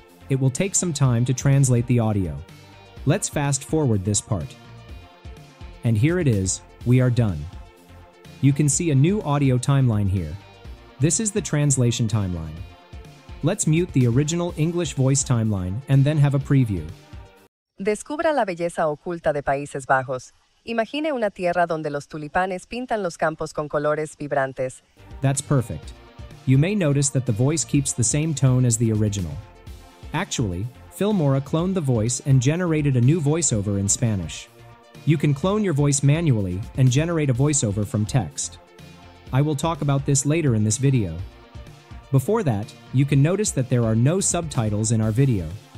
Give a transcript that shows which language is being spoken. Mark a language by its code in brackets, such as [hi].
[en] It will take some time to translate the audio. Let's fast forward this part. And here it is, we are done. You can see a new audio timeline here. This is the translation timeline. Let's mute the original English voice timeline and then have a preview. [es] Descubra la belleza oculta de Países Bajos. Imagine una tierra donde los tulipanes pintan los campos con colores vibrantes. [en] That's perfect. You may notice that the voice keeps the same tone as the original. Actually, Filmora cloned the voice and generated a new voiceover in Spanish. You can clone your voice manually and generate a voiceover from text. I will talk about this later in this video. Before that, you can notice that there are no subtitles in our video.